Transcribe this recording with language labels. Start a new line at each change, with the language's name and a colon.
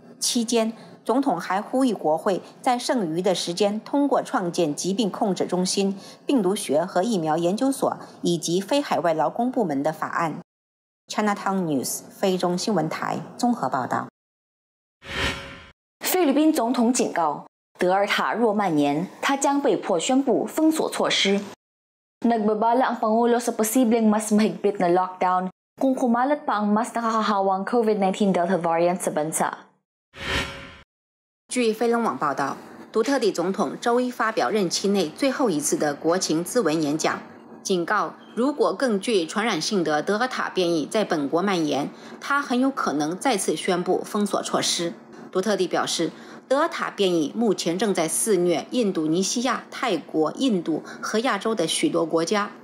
Chinese: 期间，总统还呼吁国会在剩余的时间通过创建疾病控制中心、病毒学和疫苗研究所以及非海外劳工部门的法案。 Chinatown News 菲中新闻台综合报道。菲律宾总统警告德尔塔若蔓延，他将被迫宣布封锁措施。
Filipino: Nagbabala ang Pangulo sa posibleng mas mahigpit na lockdown kung kumalat pa ang mas nakakahawang COVID-19 Delta variant sa bansa。
Chinese: 据菲龙网报道，杜特地总统周一发表任期内最后一次的国情咨文演讲，警告如果更具传染性的德尔塔变异在本国蔓延，他很有可能再次宣布封锁措施。杜特地表示，德尔塔变异目前正在肆虐印度尼西亚、泰国、印度和亚洲的许多国家。